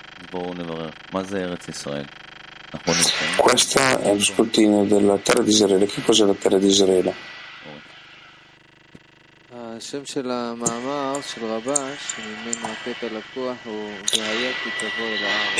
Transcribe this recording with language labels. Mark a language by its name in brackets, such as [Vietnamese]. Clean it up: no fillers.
[Hebrew] בואו נברר, מה זה ארץ ישראל? [Italian] Questa è lo scrutinio della terra di Israele. Che cos'è la terra di Israele? [Hebrew] השם של המאמר של רבש שממנו הקטע לקוח הוא והיה כי תבוא אל הארץ.